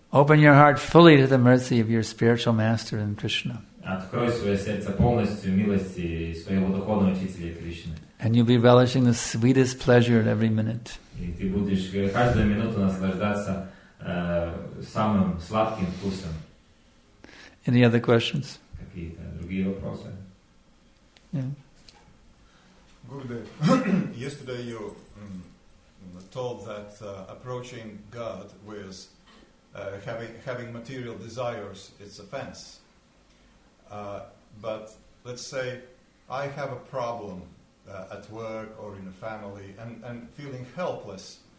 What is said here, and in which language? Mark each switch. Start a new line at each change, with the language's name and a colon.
English: Open your heart fully to the mercy of your spiritual master and Krishna.
Russian: Открой свое сердце полностью милости своего духовного учителя Кришны.
English: And you'll be relishing the sweetest pleasure at every minute.
Russian: И ты будешь каждую минуту наслаждаться самым сладким вкусом.
English: Any other questions?
Russian: Какие-то другие вопросы?
English: Yeah. Gurudev, yesterday you told that approaching God with having material desires, it's offense. But let's say I have a problem at work or in a family and feeling helpless.